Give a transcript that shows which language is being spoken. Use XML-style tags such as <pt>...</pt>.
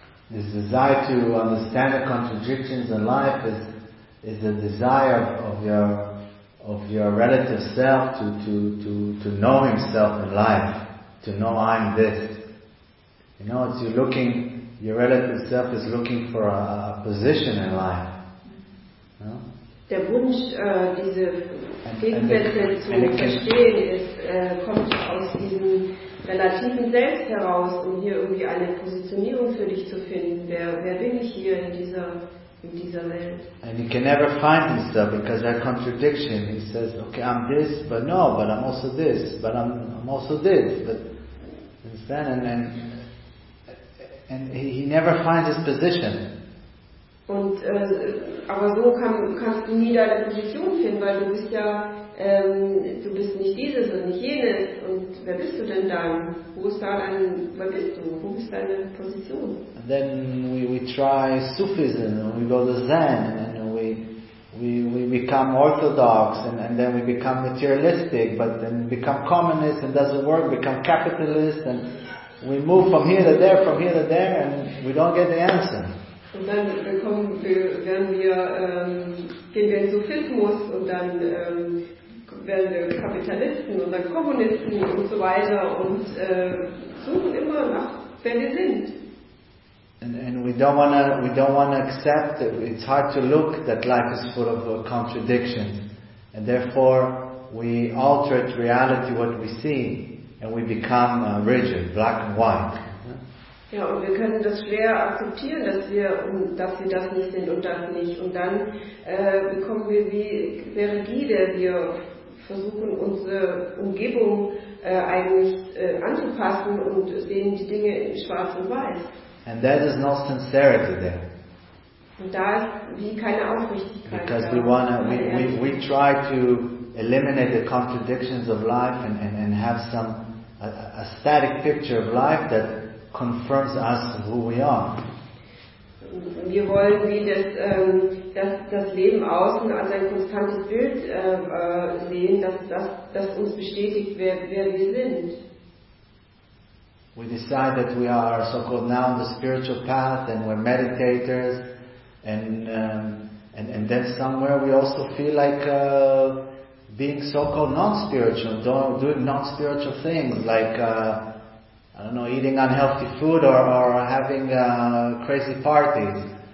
<en>This desire to understand the contradictions in life is the desire of your relative self to know himself in life, to know I'm this. You know, it's you're looking. Your relative self is looking for a position in life. No?</en> <de>Der Wunsch, diese Gegensätze zu verstehen, kommt aus diesem relativen Selbst heraus, um hier irgendwie eine Positionierung für dich zu finden. Wer bin ich hier in dieser Welt?</de> <en>And he can never find himself because that contradiction. He says, okay, I'm this, but no, but I'm also this, but I'm also this. But understand and he never finds his position.</en> <de>Und aber so kannst du nie deine Position finden, weil du bist ja du bist nicht dieses und nicht jenes. Und wer bist du denn dann? Wo ist da dein? Wer bist du? Wo ist deine Position?</de> <en>And then we try Sufism and we go to Zen and we become Orthodox and then we become materialistic, but then become communist and doesn't work. Become capitalist and. We move from here to there, and we don't get the answer.</en> <de>Und dann gehen wir in Sufismus und dann werden wir Kapitalisten und dann Kommunisten und so weiter und suchen immer nach, wer wir sind.</de> <en>And we don't wanna accept that it's hard to look that life is full of contradictions. And therefore we alter reality what we see and we become rigid, black and white.</en> <de>Ja, und wir können das schwer akzeptieren, dass wir das nicht sind und das nicht. Und dann bekommen wir wie rigide, wir versuchen unsere Umgebung eigentlich anzupassen und sehen die Dinge in schwarz und weiß.</de> <en>And that is no sincerity there.</en> <de>Und da ist wie keine Aufrichtigkeit.</de> <en>Because we try to eliminate the contradictions of life and have some a static picture of life that confirms us who we are.</en> <de>Wir wollen wie das Leben außen als ein konstantes Bild sehen, dass uns bestätigt, wer wir sind.</de> <en>We decide that we are so-called now on the spiritual path and we're meditators and then somewhere we also feel like being so-called non-spiritual, doing non-spiritual things like, I don't know, eating unhealthy food or having crazy parties.</en>